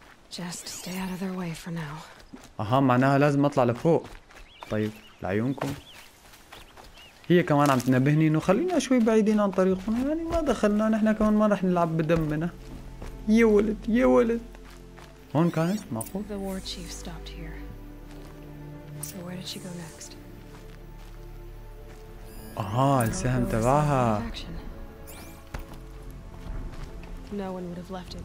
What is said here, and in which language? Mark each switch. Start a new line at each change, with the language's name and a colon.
English: Just stay out of their way for now.
Arabic: أها معناها لازم أطلع لفوق. طيب لعيونكم. هي كمان عم تنبهني إنه خلينا شوي بعيدين عن طريقنا، يعني ما دخلنا نحنا كمان ما رح نلعب بدمنا. يا ولد يا ولد. هون كانت معقول؟
English: The war chief stopped here. So where did she go next?
Arabic: أها السهم تبعها.
English: No one would have left it.